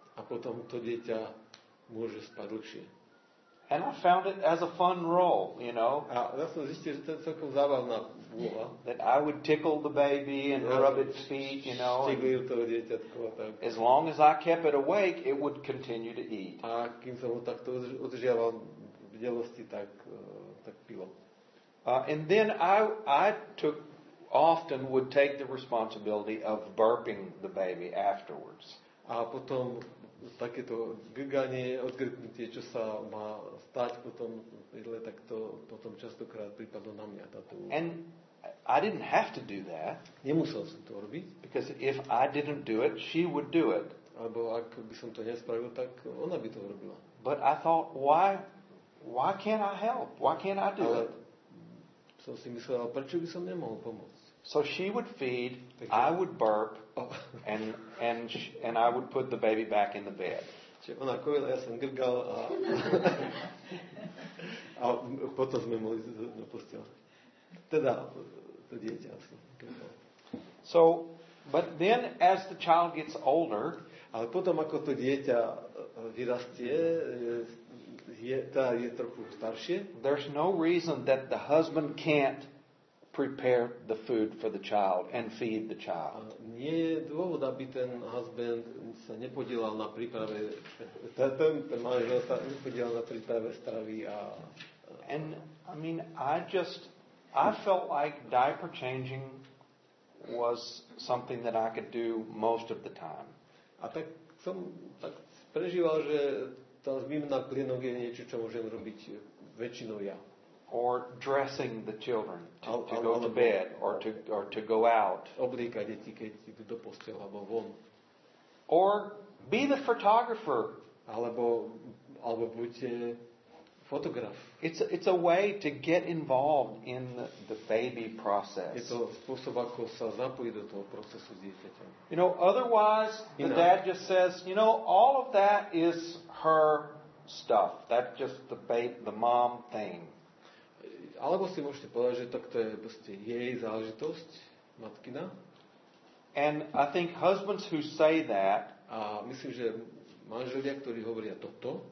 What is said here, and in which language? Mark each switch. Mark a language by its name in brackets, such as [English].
[Slovak] A potom to dieťa môže spať dlhšie. [English] And I found it as a fun role, you know. [Slovak] A ja som zistil, že to je celkom zábavná úloha. [English] That I would tickle the baby and rub its feet, you know. [Slovak] Štiklil toho dieťatko a tak. [English] As long as I kept it awake, it would continue to eat. [Slovak] A kým som ho takto udržiaval bdelosti, tak pilo. [English] And then I often would take the responsibility of burping the baby afterwards. [Slovak] A potom takéto gyganie, odgrknutie, čo sa má stať potom, ale tak to potom častokrát prípadlo na mňa táto. [English] And I didn't have to do that. [Slovak] Nemusel som to robiť. [English] Because if I didn't do it, she would do it. [Slovak] Alebo ak by som to nespravil, tak ona by to urobila. [English] But I thought, why can't I help? Why can't I do [Slovak] ale [English] it? [Slovak] Som si myslel, prečo by som nemohol pomôcť? [English] So she would feed, I would burp, and I would put the baby back in the bed. [Slovak] Čiže ona kojila, ja som grgal a potom sme mohli na posteľ. Teda, to dieťa asi. [English] So, but then as the child gets older, [Slovak] ale potom ako to dieťa vyrastie, je trochu staršie. [English] There's no reason that the husband can't prepare the food for the child and feed the child. [Slovak] Nie je dôvod, aby ten husband sa nepodielal na príprave, ten manžel sa nepodielal na príprave stravy a [English] and I mean I felt like diaper changing was something that I could do most of the time. [Slovak] A tak som tak prežíval, že tá zmena plienok je niečo, čo môžem robiť väčšinou ja. [English] Or dressing the children to go to bed or to go out. [Slovak] Oblíkať deti, keď idú do postele alebo von. [English] Or be the photographer. [Slovak] Alebo buďte fotograf. [English] It's a way to get involved in the baby process. [Slovak] Je to spôsob, ako sa zapojiť do toho procesu dieťaťa. [English] You know, otherwise the dad just says, you know, all of that is her stuff. That's just the mom thing. [Slovak] Alebo si môžete povedať, že tak to je proste jej záležitosť, matkina. [English] And I think husbands who say that, [Slovak] a myslím, že manželia, ktorí hovoria toto,